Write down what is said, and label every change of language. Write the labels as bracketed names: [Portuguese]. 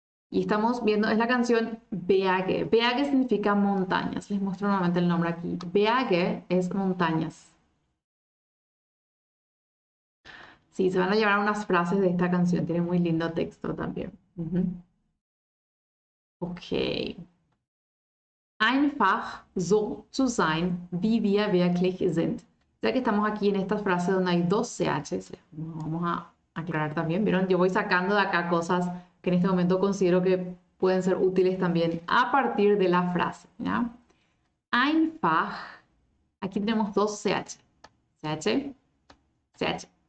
[Spanish] Y estamos viendo, es la canción Berge. Berge significa montañas. Les muestro nuevamente el nombre aquí. Berge es montañas. Sí, se van a llevar unas frases de esta canción. Tiene muy lindo texto también. Ok. [German] Einfach so zu sein, wie wir wirklich sind. [Spanish] Ya que estamos aquí en esta frase donde hay dos CHs, vamos a aclarar también. ¿Vieron? Yo voy sacando de acá cosas que en este momento considero que pueden ser útiles también a partir de la frase, ¿ya? Einfach. Aquí tenemos dos CH. CH, CH.